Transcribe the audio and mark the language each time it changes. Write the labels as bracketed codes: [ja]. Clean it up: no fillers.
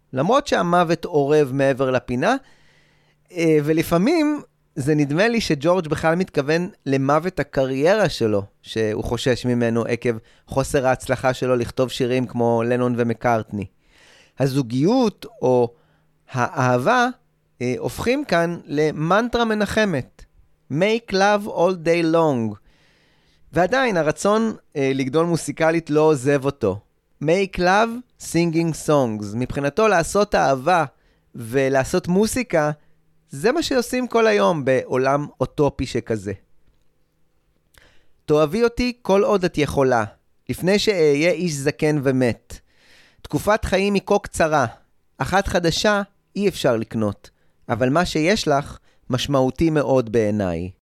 [he] למרות שהמוות עורב מעבר לפינה, ולפעמים זה נדמה לי שג'ורג' בכלל מתכוון למוות הקריירה שלו, שהוא חושש ממנו עקב חוסר ההצלחה שלו לכתוב שירים כמו לנון ומקארטני. הזוגיות או האהבה הופכים כאן למנטרה מנחמת. [en] Make love all day long. [he] ועדיין הרצון לגדול מוסיקלית לא עוזב אותו. [en] Make love singing songs. [he] מבחינתו לעשות אהבה ולעשות מוסיקה, זה מה שעושים כל היום בעולם אוטופי שכזה. תאהבי אותי כל עוד את יכולה, לפני שאהיה איש זקן ומת. תקופת חיים היא כה קצרה, אחת חדשה אי אפשר לקנות, אבל מה שיש לך משמעותי מאוד בעיניי.